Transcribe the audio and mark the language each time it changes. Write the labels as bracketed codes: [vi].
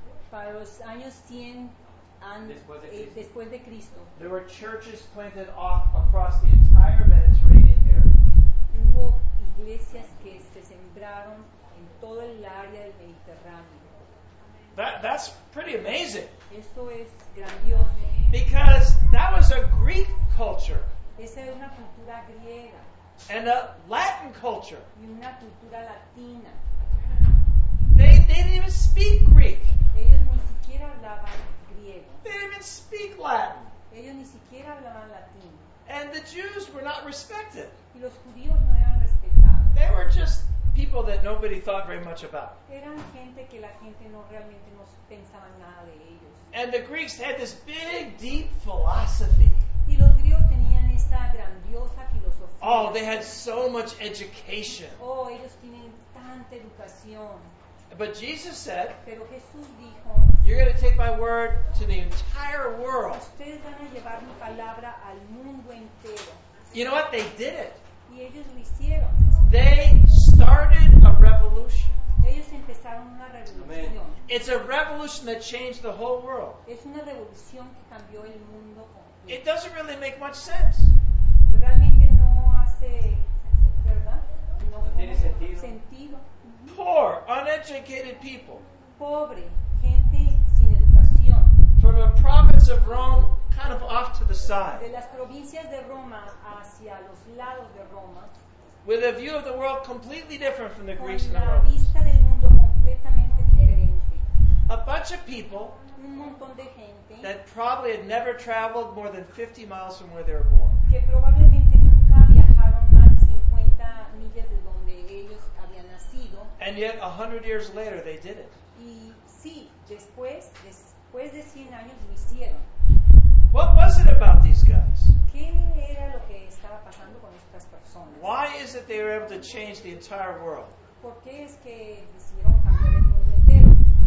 [es] Para los años 100 después de Cristo. [en] There were churches planted off across the entire Mediterranean area. [es] Hubo iglesias que se sembraron en todo el área del Mediterráneo. [en] That's pretty amazing. [es] Esto es grandioso. [en] Because that was a Greek culture. [es] Esa era una cultura griega. [en] And a Latin culture. [es] Y una cultura latina. [en] They didn't even speak Greek. [es] Ellos ni siquiera hablaban griego. [en] They didn't even speak Latin. [es] Ellos ni siquiera hablaban latín. [en] And the Jews were not respected. [es] Y los judíos no eran respetados. [en] They were just people that nobody thought very much about. [es] Eran gente que la gente no realmente no pensaban nada de ellos. [en] And the Greeks had this big, deep philosophy. [es] Y los griegos tenían esta grandiosa filosofía. [en] Oh, they had so much education. [es] Oh, ellos tienen tanta educación. [en] But Jesus said, [es] pero Jesús dijo, [en] you're going to take my word to the entire world. [es] Ustedes van a llevar mi palabra al mundo entero. [en] You know what? They did it. [es] Y ellos lo hicieron. [en] They started a revolution. [es] Ellos empezaron una revolución. Amen. [en] It's a revolution that changed the whole world. [es] Es una revolución que cambió el mundo. [en] It doesn't really make much sense. [es] Realmente no hace, ¿verdad? No tiene sentido. Sentido. [en] Poor, uneducated people. [es] Pobre, gente sin educación. [en] From a province of Rome, kind of off to the side. [es] De las provincias de Roma hacia los lados de Roma. [en] With a view of the world completely different from the Greeks and the Romans. [es] Con la vista del mundo completamente diferente. [en] A bunch of people. [es] Un montón de gente. [en] That probably had never traveled more than 50 miles from where they were born. [es] Que probablemente nunca viajaron más de 50 millas de donde ellos habían nacido. [en] And yet, 100 years later, they did it. [es] Y sí, después de 100 años lo hicieron. [en] What was it about these guys? [es] ¿Qué era lo que estaba pasando con estas personas? [en] Why is it they were able to change the entire world? [es] ¿Por qué es que decidieron cambiar el mundo entero?